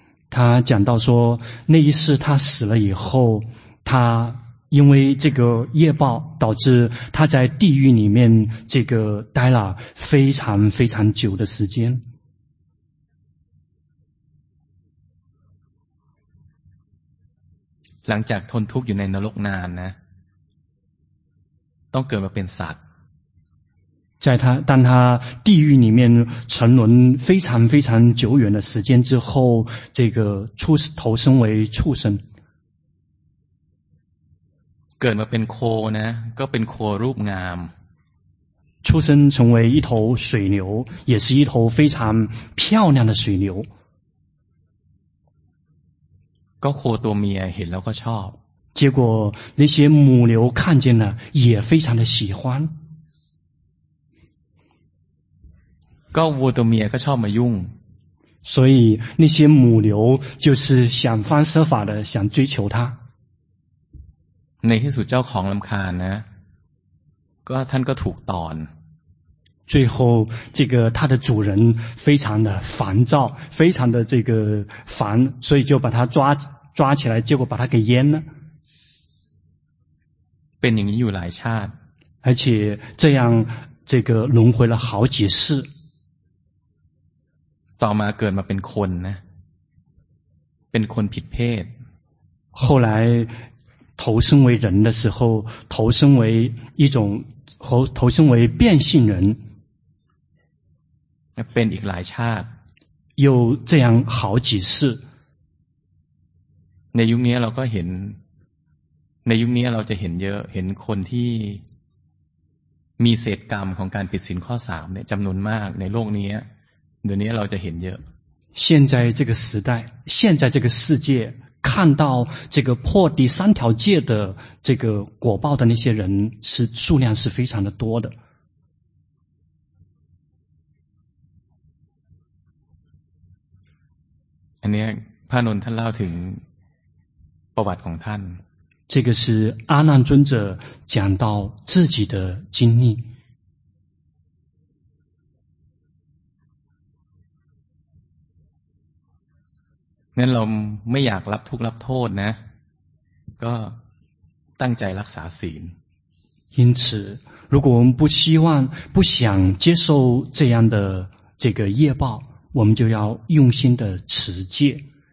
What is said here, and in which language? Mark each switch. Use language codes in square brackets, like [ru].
[zh] 他讲到说那一世他死了以后他因为这个业报导致他在地狱里面这个待了非常非常久的时间 [th] หลังจากทนทุกข์อยู่ในนรกนานนะต้องเกิดมาเป็นสัตว์ [zh] 在他当他地狱里面沉沦非常非常久远的时间之后这个出投生为畜生 [th] เกิดมาเป็นโคนะก็เป็นโครูปงาม [zh] 出生成为一头水牛也是一头非常漂亮的水牛 [th] ก็โคตัวเมียเห็นแล้วก็ชอบ [zh] 结果那些母牛看见了也非常的喜欢 [th] ก็วัวตัวเมียก็ชอบมายุ่ง [zh] 所以那些母牛就是想方设法的想追求他 [th] ในที่สุดเจ้าของลำคาญนะก็ท่านก็ถูกตอน [zh] 最后这个他的主人非常的烦躁非常的这个烦所以就把他抓起来结果把他给阉了 [th] เป็นอย่างนี้อยู่หลายชาติ [zh] 而且这样这个轮回了好几世 [th] ต่อมาเกิดมาเป็นคนนะเป็นคนผิดเพศ [zh] 后来投生为人的时候投生为一种投生为变性人 [th] เป็นอีกหลายชาติ [zh] 又这样好几世 [th] ในยุคนี้เราก็เห็นในยุคนี้เราจะเห็นเยอะเห็นคนที่มีเศษกรรมของการผิดศีลข้อ3เนี่ยจำนวนมากในโลกนี้เดี๋ยวนี้เราจะเห็นเยอะ [zh] 现在这个时代现在这个世界看到这个破第三条戒的这个果报的那些人是数量是非常的多的 [th] อันนี้พระอานนท์ท่านเล่าถึงประวัติของท่าน [zh] 这个是阿难尊者讲到自己的经历 [th] งั้นเราไม่อยากรับทุกข์รับโทษนะก็ตั้งใจรักษาศีล [zh] 因此如果我们不希望不想接受这样的这个业报我们就要用心的持戒